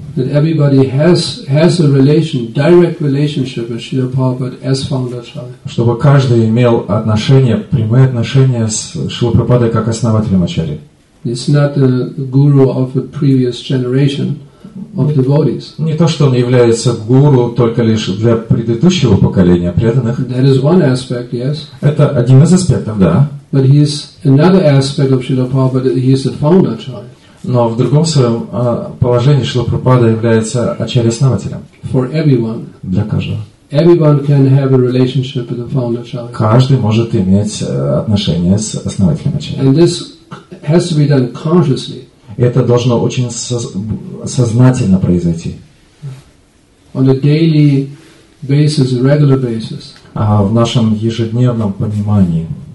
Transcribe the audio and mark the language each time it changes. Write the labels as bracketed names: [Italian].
[English] That everybody has a relation, direct relationship with Srila Prabhupada as founder acharya. [Russian] Чтобы каждый имел отношение, прямые отношения с Шрила Прабхупадой как основателем ачари. [English] It's not the guru of a previous generation. Of devotees. [Russian] Не то, что он является гуру только лишь для предыдущего поколения преданных. [English] That is one aspect, yes. [Russian] Это один из аспектов, да. [English] But he is another aspect of Srila Prabhupada. He is the founder acharya. [Russian] Но в другом своем положении Шрила Прабхупада является ачарья-основателем. [English] For everyone. [Russian] Для каждого. [English] Everyone can have a relationship with the founder acharya. [Russian] Каждый может иметь отношение с основателем ачарьи. [English] And this has to be done consciously. [Russian] Это должно очень сознательно произойти. [English] On a daily basis, regular basis. [Russian] А в нашем ежедневном понимании.